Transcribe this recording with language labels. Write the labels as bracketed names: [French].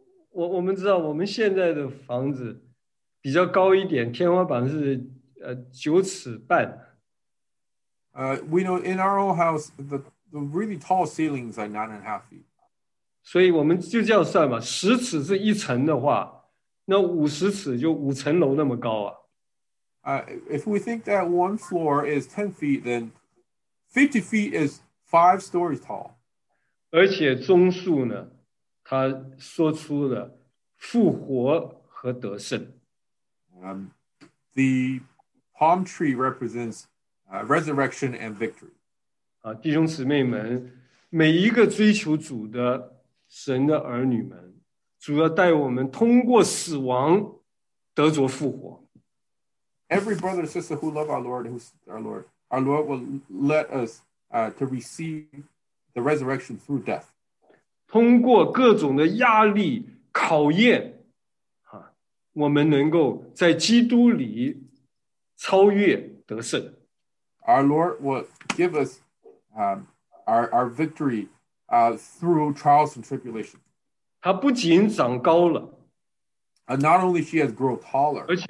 [Chinese] 我们知道我们现在的房子比较高一点，天花板是九尺半。 [English] We know in our old house, the really tall ceiling is like 9.5 feet. [Chinese] 所以我们就这样算嘛，十尺是一层的话，那50尺就5层楼那么高啊。 [English] If we think that one floor is 10 feet, then 50 feet is 5 stories tall. [Chinese] 而且棕树呢, 它说出了复活和得胜。 [English] The palm tree represents resurrection and victory. [Chinese] 弟兄姊妹们, 每一个追求主的神的儿女们, 主要带我们通过死亡得着复活。 [English] Every brother and sister who love our Lord, who's our Lord will let us to receive the resurrection through death. [Chinese] 通过各种的压力考验，我们能够在基督里超越得胜。 [English] Our Lord will give us our victory through trials and tribulation. [Chinese] 他不仅长高了。 [English] And not only she has grown taller.